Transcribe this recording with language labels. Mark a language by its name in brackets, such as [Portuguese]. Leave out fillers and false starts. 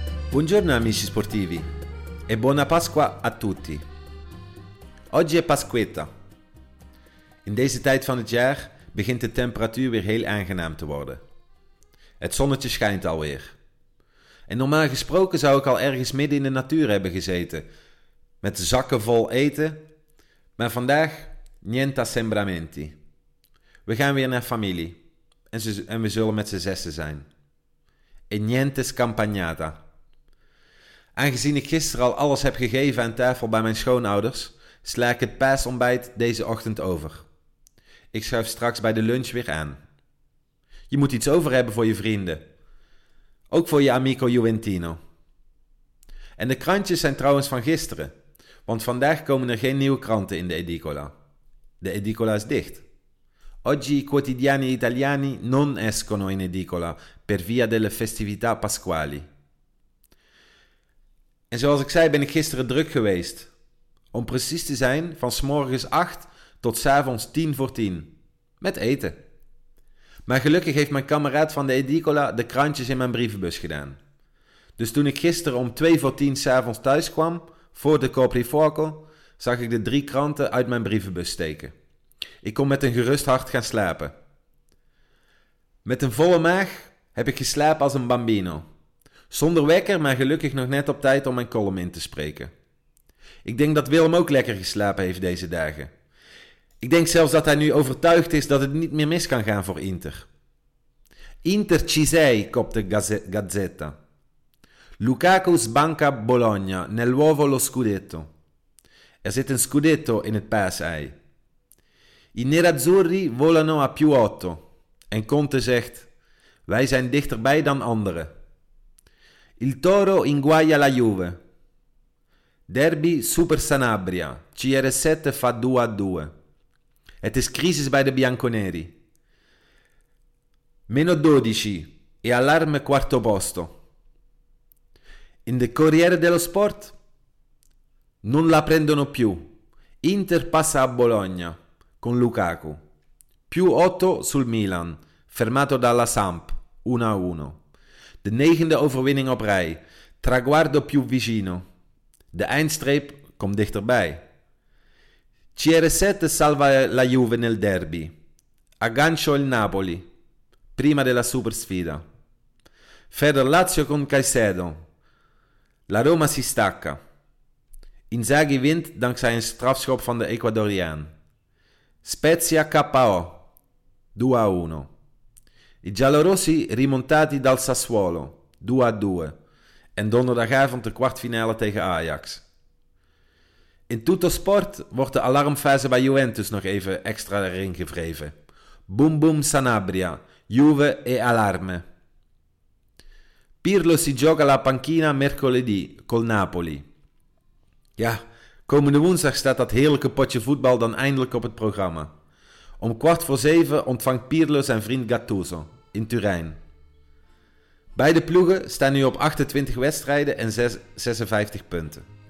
[Italian] Buongiorno amici sportivi e buona Pasqua a tutti. Oggi è Pasquetta. [Dutch] In deze tijd van het jaar begint de temperatuur weer heel aangenaam te worden. Het zonnetje schijnt alweer. En normaal gesproken zou ik al ergens midden in de natuur hebben gezeten, met zakken vol eten, maar vandaag [Italian] niente assembramenti. [Dutch] We gaan weer naar familie en we zullen met z'n zessen zijn. [Italian] E niente scampagnata. [Dutch] Aangezien ik gisteren al alles heb gegeven aan tafel bij mijn schoonouders, sla ik het paasontbijt deze ochtend over. Ik schuif straks bij de lunch weer aan. Je moet iets over hebben voor je vrienden. Ook voor je amico Juventino. En de krantjes zijn trouwens van gisteren, want vandaag komen er geen nieuwe kranten in de edicola. De edicola is dicht. [Italian] Oggi i quotidiani italiani non escono in edicola per via delle festività pasquali. [Dutch] En zoals ik zei, ben ik gisteren druk geweest. Om precies te zijn, van 8:00 tot 10:10. Met eten. Maar gelukkig heeft mijn kameraad van de edicola de krantjes in mijn brievenbus gedaan. Dus toen ik gisteren 9:40 thuis kwam, voor de coprifuoco, zag ik de 3 kranten uit mijn brievenbus steken. Ik kon met een gerust hart gaan slapen. Met een volle maag heb ik geslapen als een bambino. Zonder wekker, maar gelukkig nog net op tijd om mijn column in te spreken. Ik denk dat Willem ook lekker geslapen heeft deze dagen. Ik denk zelfs dat hij nu overtuigd is dat het niet meer mis kan gaan voor Inter. [Italian] Inter ci sei, [Dutch] kopte [Italian] Gazzetta. Lukaku sbanca Bologna, nell'uovo lo scudetto. [Dutch] Er zit een scudetto in het paasei. [Italian] I nerazzurri volano a più 8. [Dutch] En Conte zegt, wij zijn dichterbij dan anderen. [Italian] Il Toro inguaia la Juve. Derby Super Sanabria. [Dutch] CR7 fa 2-2. Het is crisis bij de Bianconeri. [Italian] -12 e allarme quarto posto. [Dutch] In de [Italian] Corriere dello Sport? Non la prendono più. Inter passa a Bologna con Lukaku. +8 sul Milan, fermato dalla Samp, 1-1. [Dutch] De 9e overwinning op rij. [Italian] Traguardo più vicino. [Dutch] De eindstreep komt dichterbij. [Italian] CR7 salva la Juve nel derby. Aggancio il Napoli. Prima della supersfida. [Dutch] Verder [Italian] Lazio con Caicedo. La Roma si stacca. [Dutch] Inzaghi wint dankzij een strafschop van de Ecuadoriaan. [Italian] Spezia KO. 2-1. I giallorossi rimontati dal Sassuolo, 2-2, [Dutch] En donderdagavond de kwartfinale tegen Ajax. In Tutto Sport wordt de alarmfase bij Juventus nog even extra erin gevreven. [Italian] Boom boom Sanabria, Juve e allarme. Pirlo si gioca la panchina mercoledì col Napoli. [Dutch] Ja, komende woensdag staat dat heerlijke potje voetbal dan eindelijk op het programma. Om 6:15 ontvangt Pirlo zijn vriend Gattuso in Turijn. Beide ploegen staan nu op 28 wedstrijden en 56 punten.